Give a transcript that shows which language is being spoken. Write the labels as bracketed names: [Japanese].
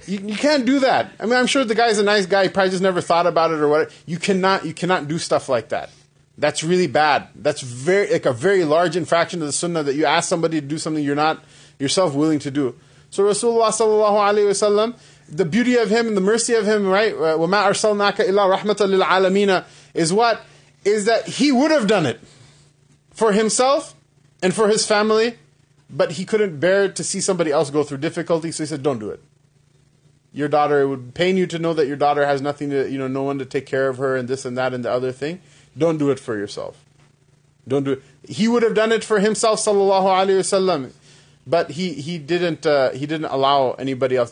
[English] You can't do that. I mean, I'm sure the guy's a nice guy. He probably just never thought about it or whatever. You cannot do stuff like that. That's really bad. That's very like a very large infraction of the sunnah that you ask somebody to do something you're not yourself willing to do. So Rasulullah sallallahu alaihi wasallam, the beauty of him and the mercy of him, right? [Arabic] وَمَا أَرْسَلْنَاكَ إِلَّا رَحْمَةً لِلْعَالَمِينَ [English] is what? Is that he would have done it for himself and for his family, but he couldn't bear to see somebody else go through difficulty, so he said, don't do it. Your daughter, it would pain you to know that your daughter has nothing to, you know, no one to take care of her and this and that and the other thing. Don't do it for yourself. Don't do it. He would have done it for himself, sallallahu alaihi wasallam, but he didn't allow anybody else.